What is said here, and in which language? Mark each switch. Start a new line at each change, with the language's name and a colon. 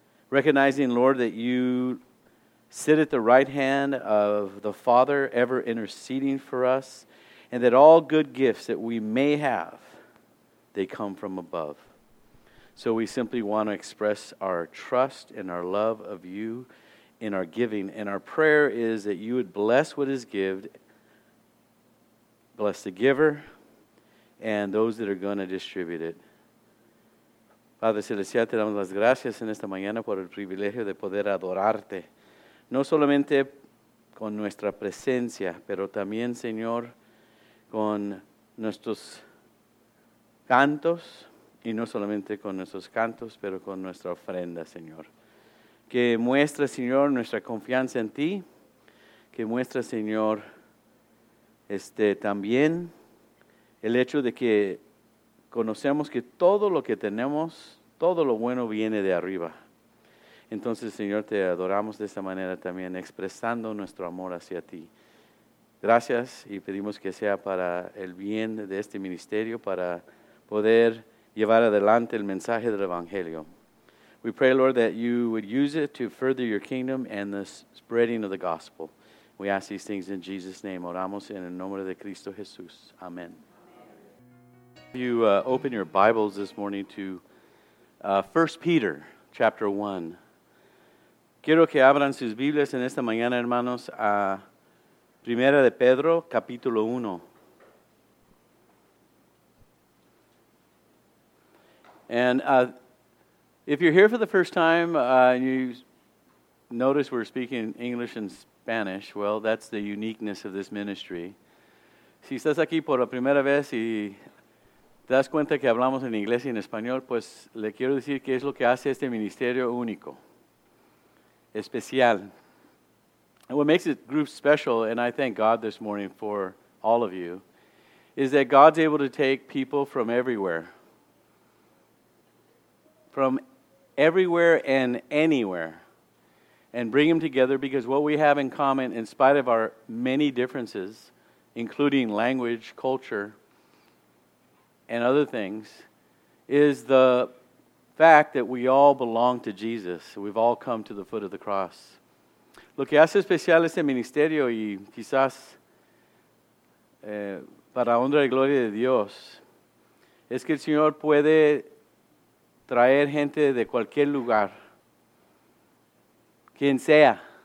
English: Recognizing, Lord, that You sit at the right hand of the Father, ever interceding for us, and that all good gifts that we may have, they come from above. So we simply want to express our trust and our love of You in our giving. And our prayer is that You would bless what is given, bless the giver, and those that are going to distribute it.
Spanish: Padre Celestial, te damos las gracias en esta mañana por el privilegio de poder adorarte, no solamente con nuestra presencia, pero también, Señor, con nuestros cantos, y no solamente con nuestros cantos, pero con nuestra ofrenda, Señor. Que muestre, Señor, nuestra confianza en Ti, que muestre, Señor, también el hecho de que conocemos que todo lo que tenemos, todo lo bueno viene de arriba. Entonces, Señor, te adoramos de esta manera también, expresando nuestro amor hacia Ti. Gracias y pedimos que sea para el bien de este ministerio, para poder llevar adelante el mensaje del Evangelio.
English: We pray, Lord, that You would use it to further Your kingdom and the spreading of the gospel. We ask these things in Jesus' name.
Spanish: Oramos en el nombre de Cristo Jesús. Amen.
English: You open your Bibles this morning to 1 Peter, chapter 1.
Spanish: Quiero que abran sus Biblias en esta mañana, hermanos, a Primera de Pedro, capítulo 1.
English: And if you're here for the first time, and you notice we're speaking English and Spanish, well, that's the uniqueness of this ministry.
Spanish: Si estás aquí por la primera vez y ¿Te das cuenta que hablamos en inglés y en español? Pues le quiero decir que es lo que hace este ministerio único, especial.
English: And what makes this group special, and I thank God this morning for all of you, is that God's able to take people from everywhere. From everywhere and anywhere. And bring them together because what we have in common, in spite of our many differences, including language, culture, and other things, is the fact that we all belong to Jesus. We've all come to the foot of the cross.
Spanish: Lo que hace especial este ministerio y quizás para honra y gloria de Dios es que el Señor puede traer gente de cualquier lugar, quien sea.